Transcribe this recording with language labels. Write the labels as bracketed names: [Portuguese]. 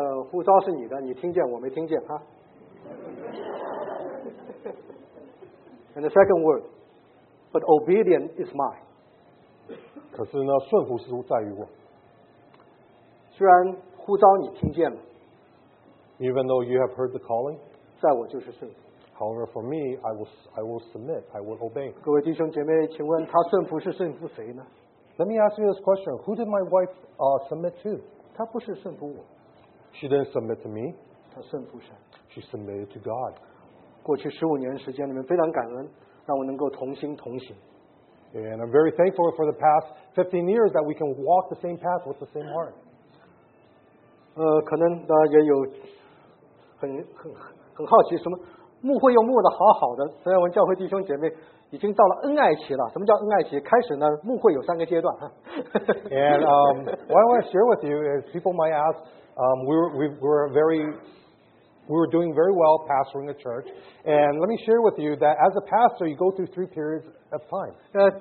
[Chinese] 呼召是你的，你听见我没听见哈。 [English] And the second word, but obedience is mine. [Chinese] 可是呢，顺服是在于我。虽然呼召你听见了。 [English] Even though you have heard the calling, [Chinese] 在我就是顺服。 [English] However, for me, I will submit, I will obey. [Chinese] 各位弟兄姐妹，请问他顺服是顺服谁呢？ [English] Let me ask you this question. Who did my wife submit to? [Chinese] 她不是顺服我。 [English] She didn't submit to me. [Chinese] 她顺服神。 [English] She submitted to God. [Chinese] 过去十五年时间里面，非常感恩，让我能够同心同行。 [English] And I'm very thankful for the past 15 years that we can walk the same path with the same heart. [Chinese] 可能大家也有很好奇什么。牧会又牧得好好的，所以我们教会弟兄姐妹已经到了恩爱期了。什么叫恩爱期？开始呢，牧会有三个阶段。 [English] And what I want to share with you is people might ask, we were doing very well pastoring a church, and let me share with you that as a pastor you go through three periods of time.